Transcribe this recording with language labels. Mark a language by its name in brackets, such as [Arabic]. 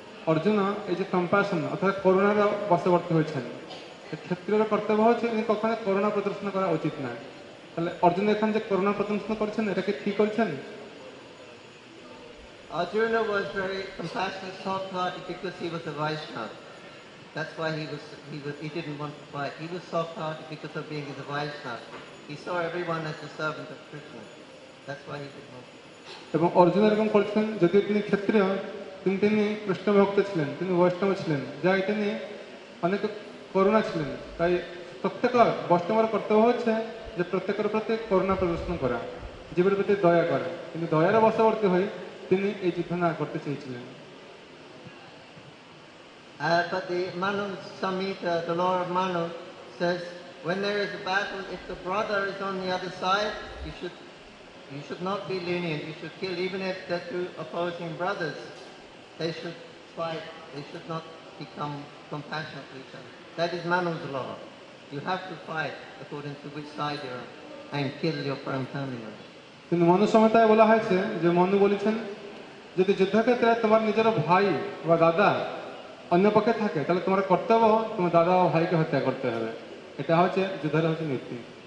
[Bangla] অর্জুন এই যে কম্প্যাশন অর্থাৎ করুণার বশবর্তী হয়েছেন, ক্ষেত্রের কর্তব্য হচ্ছে উনি কখনো করুণা প্রদর্শন করা উচিত নয়, তাহলে অর্জুন এখানে যে করুণা প্রদর্শন করছেন এটাকে কি করছেন? [English] Arjuna was very compassionate, soft-hearted because he was a Vaishnav. That's why he didn't want to fight. He was soft-hearted because of being a Vaishnav. He saw everyone as a servant of Krishna. That's why he did not. [Bangla] এবং অর্জুন এরকম করছেন যদিও তিনি ক্ষত্রিয় কিন্তু তিনি কৃষ্ণ ভক্ত ছিলেন, তিনি বৈষ্ণব ছিলেন, যাই তিনি অনেক করুণা ছিলেন, তাই প্রত্যেক বৈষ্ণবের কর্তব্য হচ্ছে যে প্রত্যেকের প্রতি করুণা প্রদর্শন করা, জীবের প্রতি দয়া করা, কিন্তু দয়ার বশবর্তী হয়ে তিনি এই যুদ্ধ না করতে চেয়েছিলেন. [English] But the Manu Samhita, the law of Manu, says when there is a battle, if the brother is on the other side, you should not be lenient. You should kill even if they're two opposing brothers. They should fight. They should not become compassionate to each other. That is Manu's law. You have to fight according to which side you're on. and kill your friend family member. [Bangla] কিন্তু মনু সমতায় বলা হয়েছে যে মনু বলেছেন যদি যুদ্ধক্ষেত্রে তোমার নিজের ভাই বা দাদা অন্য পক্ষে থাকে তাহলে তোমার কর্তব্য তোমার দাদা ও ভাইকে হত্যা করতে হবে এটা হচ্ছে যুদ্ধের হচ্ছে নীতি